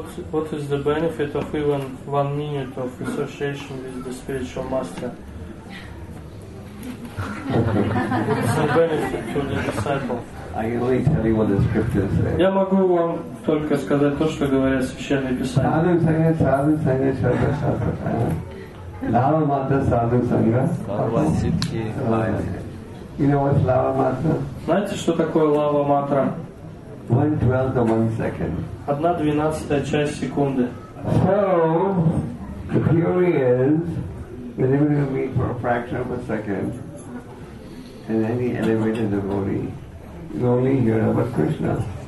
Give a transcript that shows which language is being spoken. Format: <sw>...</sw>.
<en>What is the benefit of even 1 minute of association with the spiritual master? What is the benefit to the disciple? I can only tell you what the scriptures say.</en> <ru>Я могу вам только сказать то, что говорят священные писания.</ru> <sa>Sadhu sangha, sadhu sangha, shastra shastra. Lava mata, sadhu sangha.</sa> <en>You know what's lava mata?</en> <ru>Знаете, что такое лава матра?</ru> <en>1/12 of 1 second.</en> <ru>1/12 часть секунды.</ru> <en>So the theory is that if you meet for a fraction of a second in any elevated devotee, you only hear about Krishna.</en>